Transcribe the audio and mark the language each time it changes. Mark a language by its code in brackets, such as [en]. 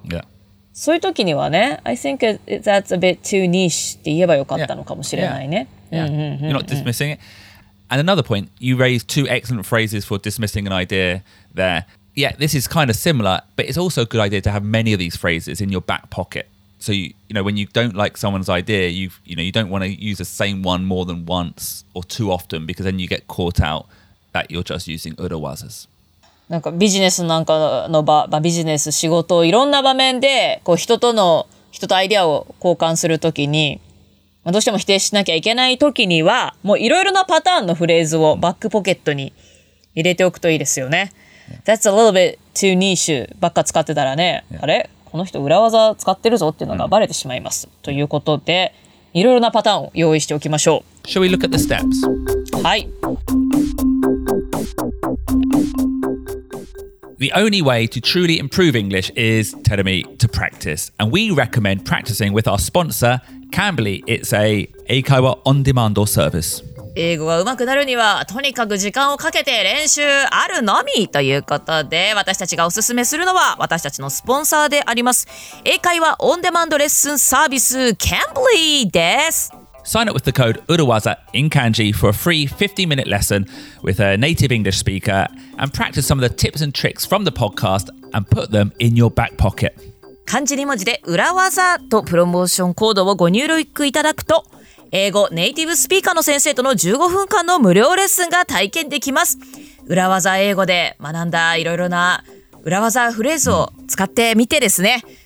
[ja] yeah. そういう時にはね [en] I think that's a bit too niche [ja] って言えばよかったのかもしれないね [en] You're not dismissing it And another point You raised two excellent phrases for dismissing an idea thereYeah, this is kind of similar, but it's also a good idea to have many of these phrases in your back pocket. So, you know, when you don't like someone's idea, you know, you don't want to use the same one more than once or too often because then you get caught out that you're just using urawazas. [ja] なんかビジネスなんかの場、まあ、ビジネス、仕事、いろんな場面でこう人との、人とアイデアを交換するときに、まあ、どうしても否定しなきゃいけないときには、もういろいろなパターンのフレーズをバックポケットに入れておくといいですよね。 [en] That's a little bit too niche [ja] ばっか使ってたらね、yeah. あれこの人裏技使ってるぞっていうのがバレてしまいます、mm. ということでいろいろなパターンを用意しておきましょう [en] Shall we look at the steps? [ja] はい [en] The only way to truly improve English is Terumi to practice and we recommend practicing with our sponsor Cambly It's a 英会話 on demand service [ja] 英語が上手くなるにはとにかく時間をかけて練習あるのみということで私たちがおすすめするのは私たちのスポンサーであります英会話オンデマンドレッスンサービス Cambly です [en] Sign up with the code URAWAZA in Kanji for a free 50-minute lesson with a native English speaker and practice some of the tips and tricks from the podcast and put them in your back pocket [ja] 漢字2文字で裏技とプロモーションコードをご入力いただくと英語ネイティブスピーカーの先生との15分間の無料レッスンが体験できます。裏技英語で学んだいろいろな裏技フレーズを使ってみてですね。